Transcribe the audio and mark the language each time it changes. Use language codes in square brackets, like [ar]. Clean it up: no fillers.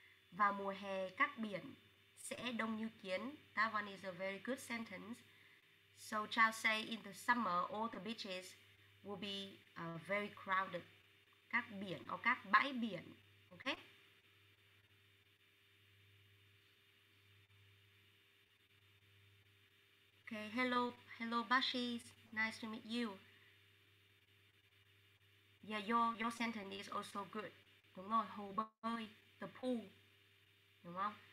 [vi] Vào mùa hè, các biển sẽ đông như kiến. [en] That one is a very good sentence. So Charles say in the summer, all the beaches will be very crowded. [vi] Các biển [en] or [vi] các bãi biển, okay? [en] Okay, hello Bashis, nice to meet you. Yeah, your sentence is also good. [vi] Đúng rồi, hồ bơi, [en] the pool, [vi] đúng không?